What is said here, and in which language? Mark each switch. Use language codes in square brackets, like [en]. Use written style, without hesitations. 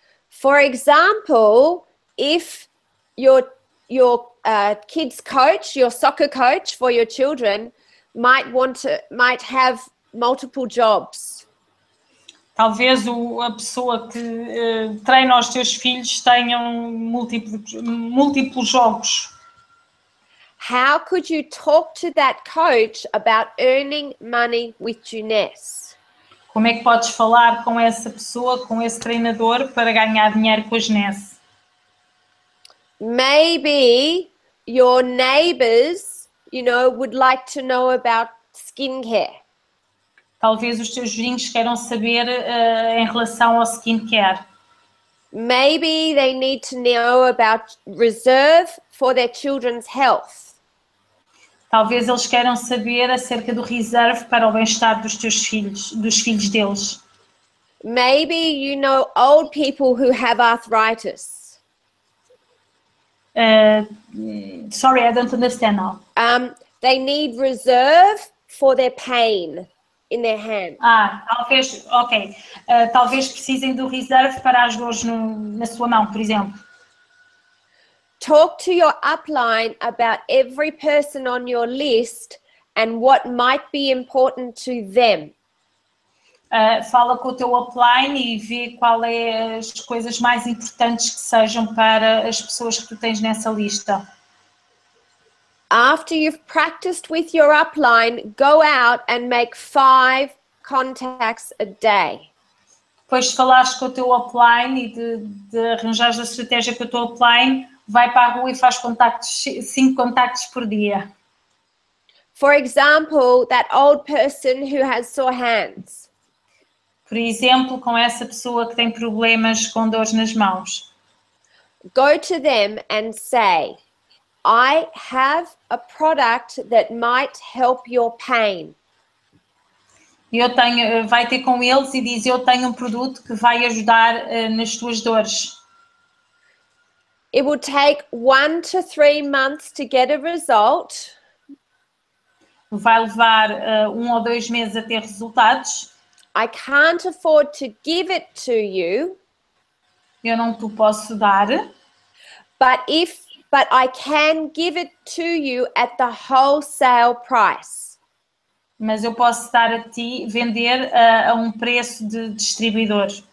[en] For example, if your kids coach, your soccer coach for your children, might have multiple jobs. [pt] Talvez a pessoa que treina os teus filhos tenha múltiplos jogos. [en] How could you talk to that coach about earning money with Juness? [pt] Como é que podes falar com essa pessoa, com esse treinador, para ganhar dinheiro com a Juness? [en] Maybe your neighbors, you know, would like to know about skincare. [pt] Talvez os teus vizinhos queiram saber em relação ao skincare. [en] Maybe they need to know about Reserve for their children's health. [pt] Talvez eles queiram saber acerca do Reserve para o bem-estar dos teus filhos, dos filhos deles. [en] Maybe you know old people who have arthritis. Sorry, I don't understand now. They need Reserve for their pain in their hands. [pt] Talvez precisem do Reserve para as dores na sua mão, por exemplo. [en] Talk to your upline about every person on your list and what might be important to them. [pt] Fala com o teu upline e vê qual é as coisas mais importantes que sejam para as pessoas que tu tens nessa lista. [en] After you've practiced with your upline, go out and make 5 contacts a day. [pt] Depois de falares com o teu upline e de arranjares a estratégia com o teu upline, vai para a rua e faz 5 contactos por dia. [en] For example, that old person who has sore hands. [pt] Por exemplo, com essa pessoa que tem problemas com dores nas mãos. [en] Go to them and say, I have a product that might help your pain. [pt] Vai ter com eles e diz, eu tenho um produto que vai ajudar nas tuas dores. [en] It will take 1 to 3 months to get a result. [pt] Vai levar 1 ou 2 meses a ter resultados. [en] I can't afford to give it to you. [pt] Eu não te posso dar. [en] But I can give it to you at the wholesale price. [pt] Mas eu posso dar a ti, vender a preço de distribuidor.